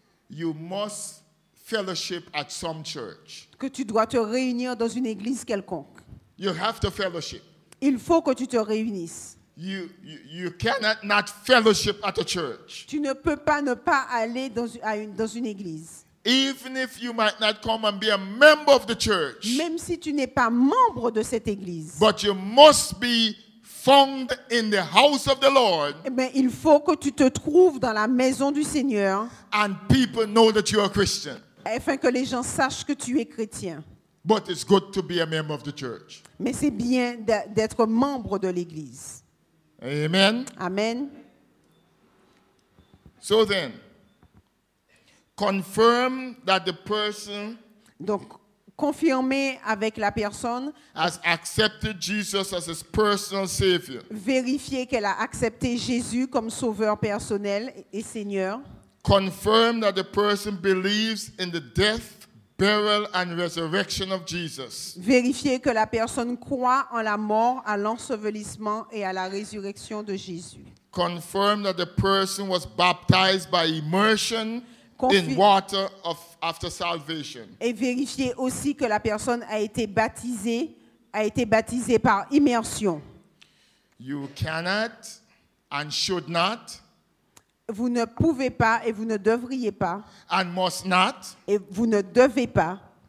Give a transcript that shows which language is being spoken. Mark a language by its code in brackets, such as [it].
[en] you must fellowship at some church. [fr] Que tu dois te réunir dans une église quelconque. [en] You have to fellowship. [fr] Il faut que tu te réunisses. [en] You cannot not fellowship at a church. [fr] Tu ne peux pas ne pas aller dans une église. [en] Even if you might not come and be a member of the church. [fr] Même si tu n'es pas membre de cette église. [en] But you must be found in the house of the Lord. [fr] Mais il faut que tu te trouves dans la maison du Seigneur. [en] And people know that you are Christian. [fr] Afin que les gens sachent que tu es chrétien. [en] But it's good to be a member of the church. [fr] Mais c'est bien d'être membre de l'église. [en] Amen. [fr] Amen. [en] So then, confirm that the person. [fr] Donc, confirmer avec la personne. [en] Has accepted Jesus as his personal savior. [fr] Vérifier qu'elle a accepté Jésus comme sauveur personnel et Seigneur. [en] Confirm that the person believes in the death, burial, and resurrection of Jesus. [fr] Vérifier que la personne croit en la mort, à l'ensevelissement et à la résurrection de Jésus. [en] Confirm that the person was baptized by immersion in water after salvation. [fr] Et vérifier aussi que la personne a été baptisée par immersion. [en] You cannot and should not. [fr] Vous ne pouvez pas et vous ne devriez pas. [en] And must not. [fr] Et vous ne devez pas.